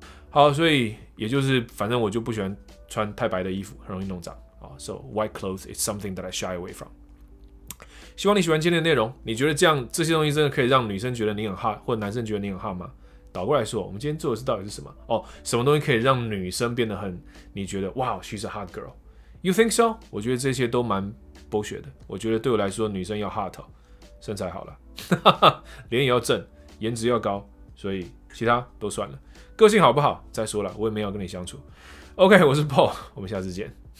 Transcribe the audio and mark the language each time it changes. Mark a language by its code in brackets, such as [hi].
[zh] 好，所以也就是，反正我就不喜欢穿太白的衣服，很容易弄脏啊。 [en] So white clothes is something that I shy away from。 [zh] 希望你喜欢今天的内容。你觉得这样这些东西真的可以让女生觉得你很 hot， 或男生觉得你很 hot 吗？倒过来说，我们今天做的事到底是什么？哦，什么东西可以让女生变得很？你觉得哇 [en] ，she's a hot girl。You think so？ [zh] 我觉得这些都蛮剥削的。我觉得对我来说，女生要 hot， 身材好了，脸也要正，颜值要高，所以其他都算了。个性好不好？再说了，我也没有跟你相处。OK， 我是 Paul， 我们下次见。